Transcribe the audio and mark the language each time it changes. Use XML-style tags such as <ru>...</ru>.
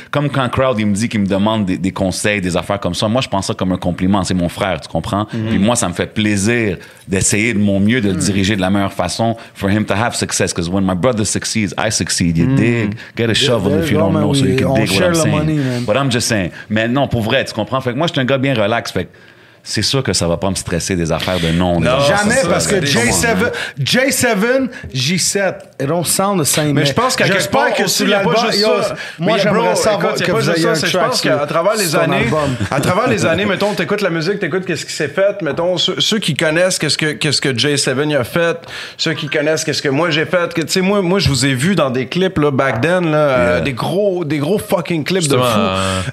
<fr>Comme quand Crowd, il me dit qu'il me demande des conseils, des affaires comme ça. Moi, je pense ça comme un compliment. C'est mon frère, tu comprends? Mm-hmm. Puis moi, ça me fait plaisir d'essayer de mon mieux de le diriger de la meilleure façon</fr> <en>for him to have success. Because when my brother succeeds, I succeed. You dig? Get a shovel if you don't know so you can dig what I'm saying. Money, but I'm just saying.</en> <fr>Mais non, pour vrai, tu comprends? Fait que moi, je suis un gars bien relax. Fait que c'est sûr que ça va pas me stresser des affaires de nom. Non, jamais, ça, parce que</fr> <en>J7, J7, it don't sound the same.</en> <fr>Mais je pense qu'à quelque part, que aussi, il y a pas juste ça. Moi, j'aimerais savoir que vous ayez un track. Je pense qu'à travers les années, à travers les années, mettons, t'écoutes la musique, t'écoutes qu'est-ce qui s'est fait, mettons, ceux qui connaissent qu'est-ce que J7 a fait, ceux qui connaissent qu'est-ce que moi j'ai fait, que, tu sais, moi, je vous ai vu dans des clips, là, back then, là, des gros fucking clips de fou.</fr>